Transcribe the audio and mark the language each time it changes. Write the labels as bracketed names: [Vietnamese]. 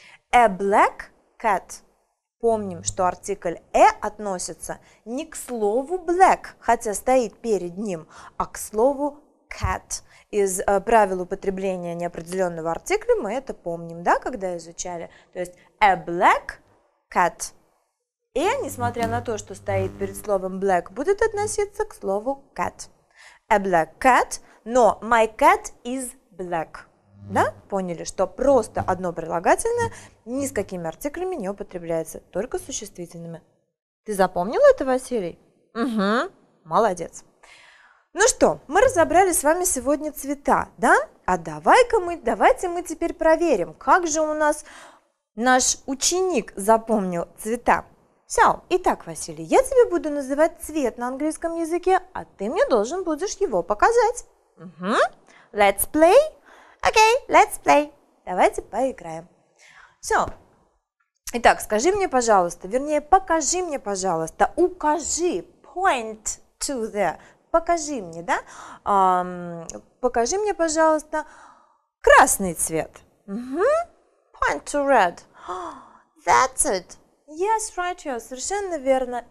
[English] A black cat. [Russian] Помним, что артикль «э» относится не к слову «black», хотя стоит перед ним, а к слову «cat». Из правил употребления неопределенного артикля мы это помним, да, когда изучали. То есть [English] «a black cat». [Russian] И, несмотря на то, что стоит перед словом black, будет относиться к слову cat. [English] A black cat, но my cat is black. Да? [Russian] Поняли, что просто одно прилагательное ни с какими артиклями не употребляется, только существительными. Ты запомнил это, Василий? Угу. Молодец. Ну что, мы разобрали с вами сегодня цвета, да? А давайте мы теперь проверим, как же у нас наш ученик запомнил цвета. Все. Итак, Василий, я тебе буду называть цвет на английском языке, а ты мне должен будешь его показать. [English] Угу. Let's play. Окей, let's play. [Russian] Давайте поиграем. Все. Итак, скажи мне, пожалуйста, вернее, покажи мне, пожалуйста, укажи, [English] point to the, [Russian] покажи мне, да? Покажи мне, пожалуйста, красный цвет. [English] Угу. Point to red. That's it. Yes, right, yes, [Russian] совершенно верно.